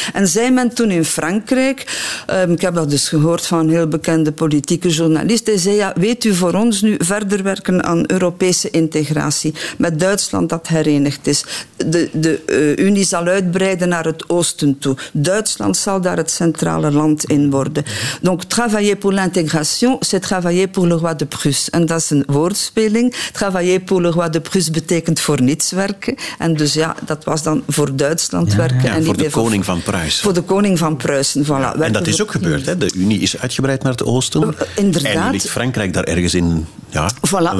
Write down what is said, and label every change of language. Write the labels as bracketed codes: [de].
[nl] En zei men toen in Frankrijk, ik heb dat dus gehoord van een heel bekende politieke journalist, hij zei: ja, weet u, voor ons nu verder werken aan Europese integratie, met Duitsland dat herenigd is. De Unie zal uitbreiden naar het oosten toe. Duitsland zal daar het centrale land in worden. [fr] Donc, travailler pour l'intégration, c'est travailler pour le roi de Prusse. [nl] En dat is een woordspeling. [fr] Travailler pour le roi de Prusse [nl] betekent voor niets werken. En dus ja, dat was dan voor Duitsland werken. Ja, en voor de koning van Pruisen. Voor de koning van Pruisen, voilà. Ja, en dat is ook gebeurd, hè? De Unie is uitgebreid naar het oosten. Inderdaad. En ligt Frankrijk daar ergens in, ja, voilà, een